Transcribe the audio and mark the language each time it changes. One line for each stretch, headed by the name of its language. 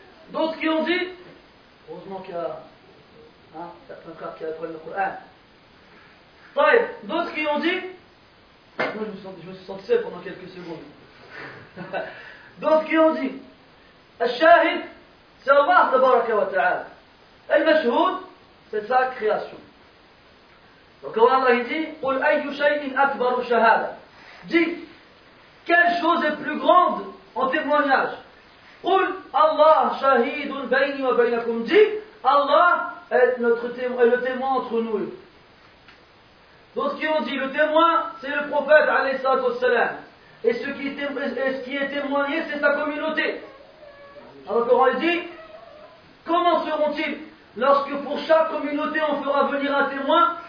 French: D'autres qui ont dit, heureusement qu'il y a certains cas qui apprennent le Coran. D'autres qui ont dit, moi je me suis senti seul pendant quelques secondes. D'autres qui ont dit, Al-Shahid, c'est Allah tabaraka wa ta'ala. Al-Mashhud, c'est sa création. Donc Allah dit,
Arabic: قُلْ أَيُّ شَيْءٍ أَكْبَرُ شَهَادًا.
French: Dis, quelle chose est plus grande en témoignage?
Arabic: قُلْ Allah شَهِيدٌ بَيْنِي وَبَيْنَكُمْ.
French: Dis, Allah est le témoin entre nous. D'autres qui ont dit, le témoin, c'est le prophète, alayhi salatu wassalam. Et ce qui est témoigné, c'est sa communauté. Alors Allah dit, comment seront-ils lorsque pour chaque communauté on fera venir un témoin?